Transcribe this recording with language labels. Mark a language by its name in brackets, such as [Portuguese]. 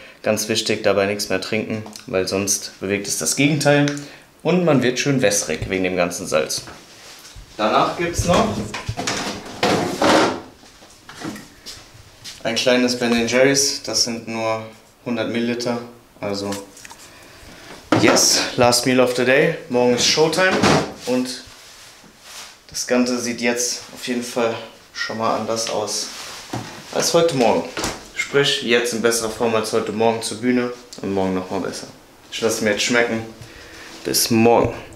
[German] Ganz wichtig, dabei nichts mehr trinken, weil sonst bewegt es das Gegenteil. Und man wird schön wässrig wegen dem ganzen Salz. Danach gibt es noch ein kleines Ben & Jerry's. Das sind nur 100 Milliliter. [English] Also, yes, last meal of the day. [German] Morgen ist Showtime. Und das Ganze sieht jetzt auf jeden Fall schon mal anders aus als heute Morgen. Sprich, jetzt in besserer Form als heute Morgen zur Bühne und morgen nochmal besser. Ich lasse mir jetzt schmecken. Bis morgen.